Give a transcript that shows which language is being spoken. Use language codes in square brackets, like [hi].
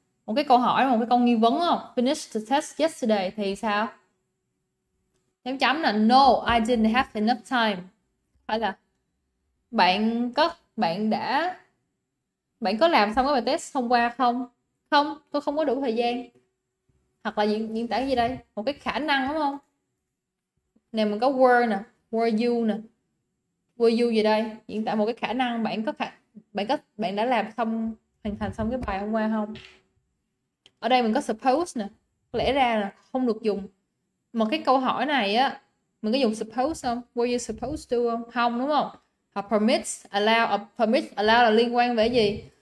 [vi] Một cái câu hỏi, một cái câu nghi vấn không? [en] Finish the test yesterday [vi] thì sao? Chấm chấm nè. [en] No, I didn't have enough time. [vi] Phải là bạn có làm xong cái bài test hôm qua không? Không, tôi không có đủ thời gian. Hoặc là diễn tả gì đây? Một cái khả năng đúng không? Nè mình có were nè, [en] were you [vi] nè. [en] Were you [vi] gì đây? Diễn tả một cái khả năng bạn đã làm xong hoàn thành xong cái bài hôm qua không? Ở đây mình có suppose nè. Lẽ ra là không được dùng. Mà cái câu hỏi này á, mình có dùng suppose không? [en] Were you supposed to [vi] không? Không đúng không? Hoặc [en] permit allow [vi] là liên quan về gì?